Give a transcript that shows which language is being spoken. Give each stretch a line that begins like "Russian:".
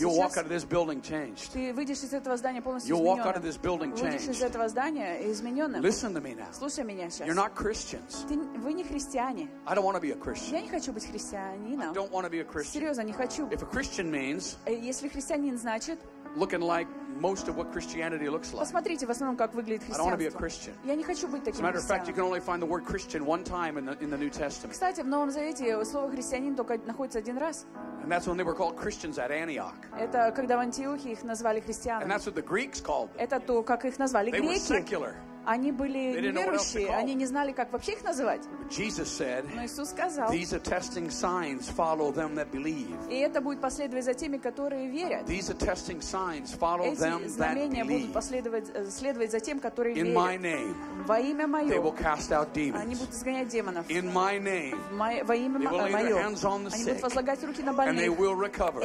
English: you'll walk out of this building changed.
Russian: Ты выйдешь из этого здания полностью
English: измененным. You'll walk out of this building changed.
Russian: Выйдешь из этого здания измененным.
English: Listen to me now.
Russian: Слушай меня сейчас.
English: You're not Christians.
Russian: Вы не христиане.
English: I don't want to be a Christian.
Russian: Я не хочу быть христианином.
English: I don't want to be a Christian.
Russian: Серьезно, не хочу.
English: If a Christian means,
Russian: если христианин значит.
English: Looking like most of what Christianity looks like.
Russian: Посмотрите, в основном как выглядит христианство.
English: I don't want to be a Christian.
Russian: Я не хочу быть таким.
English: As a matter of fact, you can only find the word Christian one time in the New Testament.
Russian: Кстати, в Новом Завете слово христианин только находится один раз.
English: And that's when they were called Christians at Antioch.
Russian: Это когда в Антиохии их назвали христианами.
English: And that's what the Greeks called them.
Russian: Это то, как их назвали греки.
English: They were secular.
Russian: Они были неверующие, они не знали, как вообще их называть.
English: Jesus said,
Russian: но Иисус сказал,
English: these are testing signs, follow them that believe.
Russian: И это будет последовать за теми, которые верят.
English: These are testing signs, follow
Russian: эти
English: them
Russian: знамения
English: that believe.
Russian: Будут последовать за тем, которые
English: in
Russian: верят.
English: My name,
Russian: во имя Мое.
English: They will cast out demons.
Russian: Они будут изгонять демонов.
English: In my name,
Russian: во имя Мое.
English: Hands on the
Russian: они
English: sick,
Russian: будут возлагать руки на больных.
English: And they will recover.